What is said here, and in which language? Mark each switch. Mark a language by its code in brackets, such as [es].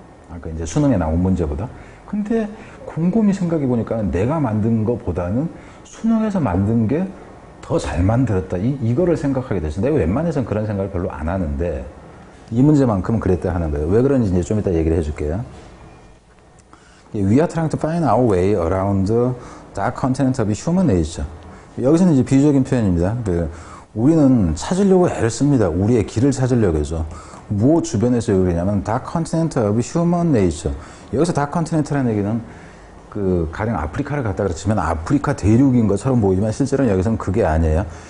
[ko] 아까 이제 수능에 나온 문제보다. 근데 곰곰이 생각해 보니까 내가 만든 것보다는 수능에서 만든 게 더 잘 만들었다. 이거를 생각하게 됐어요. 내가 웬만해서는 그런 생각을 별로 안 하는데 이 문제만큼은 그랬다 하는 거예요. 왜 그런지 이제 좀 이따 얘기를 해줄게요. [en] We are trying to find our way around the dark continent of human nature. [ko] 여기서는 이제 비유적인 표현입니다. 우리는 찾으려고 애를 씁니다. 우리의 길을 찾으려고 해서. 뭐 주변에서 왜 그러냐면 [en] dark continent of human nature. [ko] 여기서 dark continent라는 얘기는 가령 아프리카를 갔다 그랬으면 아프리카 대륙인 것처럼 보이지만 실제로는 여기서는 그게 아니에요.